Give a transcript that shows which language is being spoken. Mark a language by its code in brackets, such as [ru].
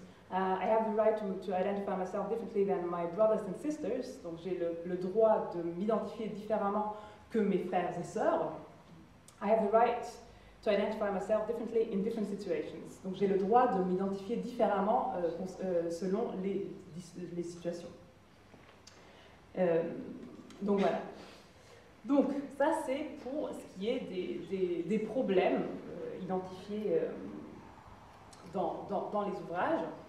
[en] I have the right to identify myself differently than my brothers and sisters. [fr] Donc, j'ai le droit de m'identifier différemment que mes frères et sœurs. [en] I have the right to identify myself differently in different situations. [fr] Donc, j'ai le droit de m'identifier différemment selon les situations. Donc, voilà. Donc, ça, c'est pour ce qui est des problèmes identifiés dans les ouvrages.